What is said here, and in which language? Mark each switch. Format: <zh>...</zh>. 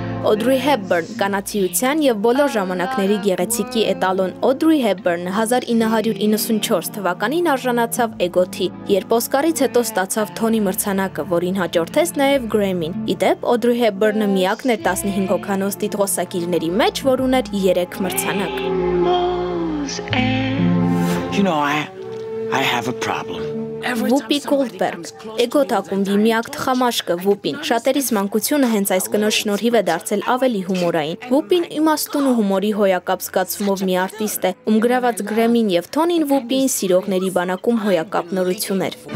<hy>Audrey Hepburn, կանացիության և բոլոր ժամանակների գեղեցիկի էտալոն Audrey Hepburn 1994 թվականին արժանացավ Էգոթի, երբ Օսկարից հետո ստացավ Թոնի մրցանակը, որին հաջորդեց նաև Grammy-ին։ Իդեպ, Audrey Hepburn-ը միակն էր 15 հոգանոց տիտղոսակիրների մեջ, որ ուներ 3 մրցանակ։</hy> <en>You know, I have a problem.</en> <hy>Վուպի Գոլդբերգ, Էգո Թակում միակ թխամաշկը Վուպին, շատերիս մանկությունը հենց այս կնոջ շնորհիվ է դարձել ավելի հումորային։ Վուպին իմաստուն ու հումորի հոյակապ զգացումով մի արտիստ է, ում գրաված Grammy-ին եւ Թոնին Վուպին սիրողների բանակում հոյակապ նորություն էր։</hy>